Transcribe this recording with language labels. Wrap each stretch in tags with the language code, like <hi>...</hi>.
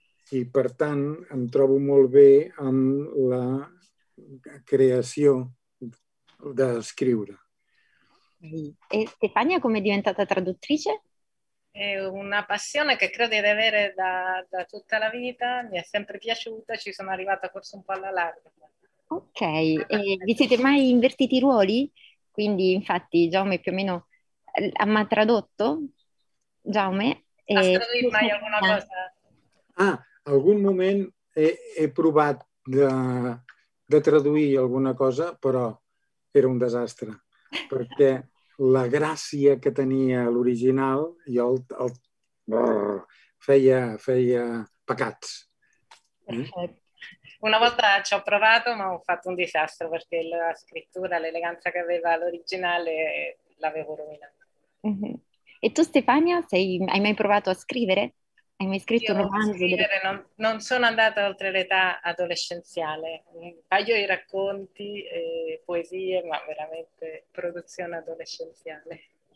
<ca>I per tant em trobo molt bé amb la creació d'escriure.</ca> <it>E Stefania, come è diventata traduttrice? È una passione che credo di avere da tutta la vita, mi è sempre piaciuta, ci sono arrivata forse un po' alla larga. Ok, e vi siete mai invertiti i ruoli? Quindi infatti Giaume più o meno ha tradotto? Giaume?</it> <ca>Ha traduito mai alguna cosa? Ah, algun moment he provat de traduir alguna cosa, però era un desastre, perquè la gràcia que tenia l'original i el feia pecats.</ca> <it>Una volta ci ho provato, ma ho fatto un disastro perché la scrittura, l'eleganza che aveva l'originale, l'avevo rovinata. Uh-huh. E tu, Stefania, hai mai provato a scrivere? Hai mai scritto un romanzo? Non sono andata oltre l'età adolescenziale. Un paio di racconti, poesie, ma veramente produzione adolescenziale.</it>